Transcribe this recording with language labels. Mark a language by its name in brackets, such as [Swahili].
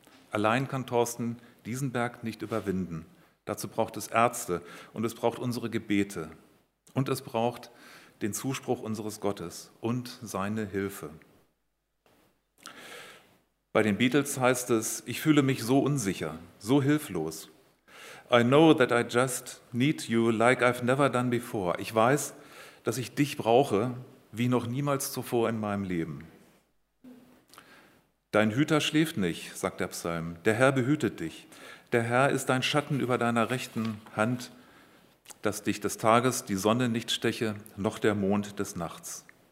[German] Allein kann Thorsten diesen Berg nicht überwinden. Dazu braucht es Ärzte und es braucht unsere Gebete. Und es braucht den Zuspruch unseres Gottes und seine Hilfe. Bei den Beatles heißt es, ich fühle mich so unsicher, so hilflos. [English] I know that I just need you like I've never done before. [German] Ich weiß, dass ich dich brauche, wie noch niemals zuvor in meinem Leben. Dein Hüter schläft nicht, sagt der Psalm. Der Herr behütet dich. Der Herr ist dein Schatten über deiner rechten Hand, dass dich des Tages die Sonne nicht steche, noch der Mond des Nachts.